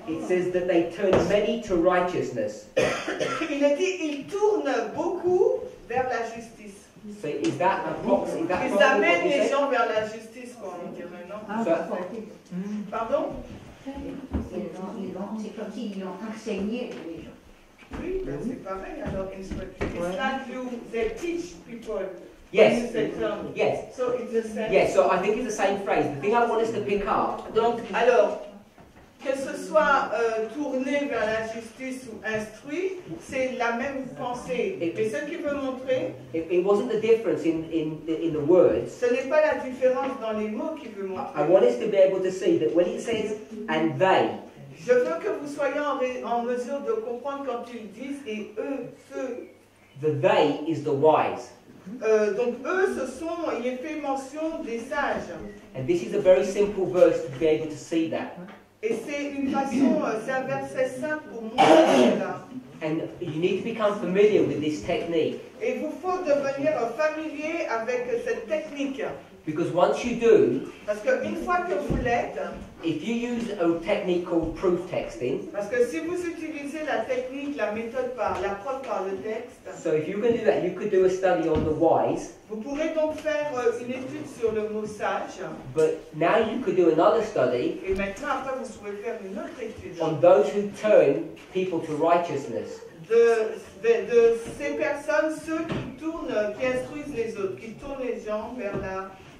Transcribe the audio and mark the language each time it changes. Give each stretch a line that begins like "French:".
English: it says that they turn many to righteousness.
French: Il est dit ils tournent beaucoup vers la justice.
English: So is that a box? Is that
French: ils amènent les gens vers la justice, quoi, on dirait, non? Ah, so, pardon? C'est comme s'ils l'ont enseigné les gens. Oui, ben c'est pareil. Alors, instruit. Ouais.
English: It's not you. They teach people. Yes. Yes. So it's the same. Yes. So I think it's the same phrase. The thing I want us to pick up.
French: Donc, alors, que ce soit tourné vers la justice ou instruit, c'est la même pensée. Et ce qu'il veut montrer.
English: It wasn't the difference in the words.
French: Ce n'est pas la différence dans les mots qu'il veut montrer.
English: I want us to be able to see that when it says and they.
French: Je veux que vous soyez en mesure de comprendre quand ils disent et eux ceux.
English: The they is the wise.
French: Donc eux, ce sont, il est fait mention des sages.
English: And this is a very simple verse to be able to see that.
French: Et c'est une façon, c'est un verset simple pour montrer cela.
English: And you need to become familiar with this technique.
French: Et vous faut devenir familier avec cette technique.
English: Because once you do,
French: parce que une fois que vous l'êtes,
English: if you use a technique called proof texting,
French: parce que si vous utilisez la technique, la méthode par la preuve par le texte,
English: so if you can do that, you could do a study on the wise.
French: Vous pourrez donc faire une étude sur le mot sage.
English: But now you could do another study.
French: Et maintenant après vous pourrez faire une autre étude.
English: On those who turn people to righteousness.
French: De ces personnes, ceux qui tournent, qui instruisent les autres, qui tournent les gens vers la